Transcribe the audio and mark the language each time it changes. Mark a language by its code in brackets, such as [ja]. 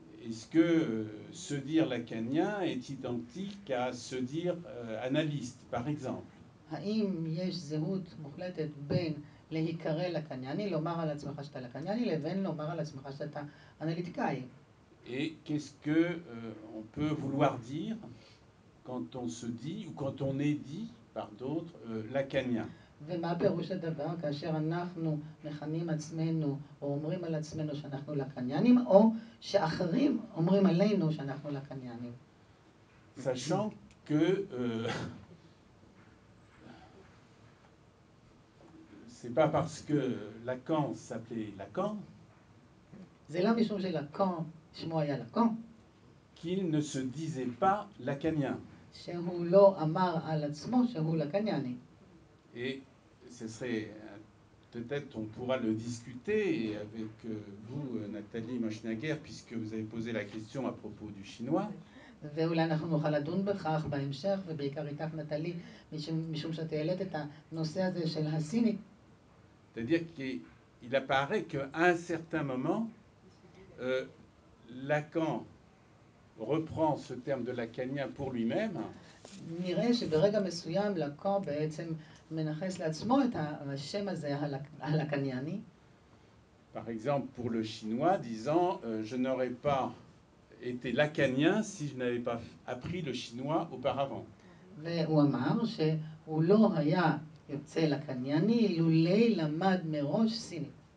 [fr] Est-ce que se dire lacanien est identique à se dire analyste, par exemple? [he] האם יש זהות מוחלטת בין להיקרא לקנייני, לומר על עצמך שאתה לקנייני, לבין לומר על עצמך שאתה אנליטיקאי? [fr] Et qu'est-ce que on peut vouloir dire quand on se dit ou quand on est dit par d'autres lacanien? [he] ומה פירוש הדבר כאשר אנחנו מכנים עצמנו או אומרים על עצמנו שאנחנו לקניינים או שאחרים אומרים עלינו שאנחנו לקניינים? [fr] Sachant que c'est pas parce que Lacan s'appelait Lacan. [he] זה לא משום שלקאן שמו היה לקאן. [fr] Qu'il ne se disait pas lacanien. [he] שהוא לא אמר על עצמו שהוא לקנייני. [fr] Et ce serait peut-être on pourra le discuter avec vous Nathalie Machnager puisque vous avez posé la question à propos du chinois. [he] ואולי אנחנו נוכל לדון בכך בהמשך ובעיקר איתך נטלי משום שאתה העלית את הנושא הזה של הסיני. [fr] C'est-à-dire qu'il apparaît qu'à un certain moment Lacan reprend ce terme de lacanien pour lui-même. [he] נראה שברגע מסוים לקאן בעצם מנחס לעצמו את השם הזה הלקניאני. [fr] Par exemple pour le chinois disant je n'aurais pas été lacanien si je n'avais pas appris le chinois auparavant. [he] והוא אמר שהוא לא היה יוצא לקניאני לולא למד מראש סיני.